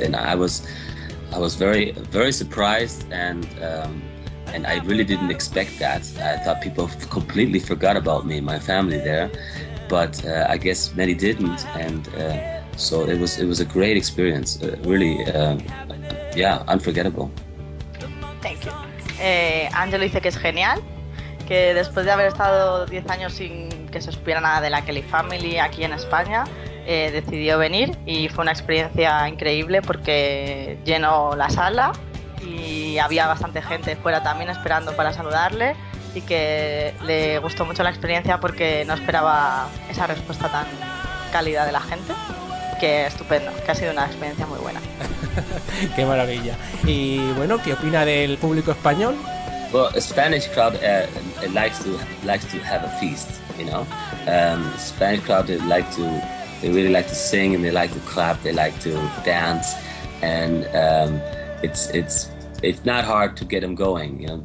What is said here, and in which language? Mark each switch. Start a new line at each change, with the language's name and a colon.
English: And I was very very surprised and. And I really didn't expect that. I thought people completely forgot about me and my family there, but I guess many didn't. And so it was a great experience, really, unforgettable. Thank you.
Spanish: Angelo dice que es genial, que después de haber estado 10 años sin que se supiera nada de la Kelly Family aquí en España, decidió venir y fue una experiencia increíble porque llenó la sala. Y había bastante gente fuera también esperando para saludarle y que le gustó mucho la experiencia porque no esperaba esa respuesta tan cálida de la gente. Que estupendo, que ha sido una experiencia muy buena. Qué maravilla. Y bueno, ¿qué opina del público español?
English: Well, the Spanish crowd likes to have a feast, you know. Spanish crowd they really like to sing and they like to clap, they like to dance and it's not hard to get them going, you know.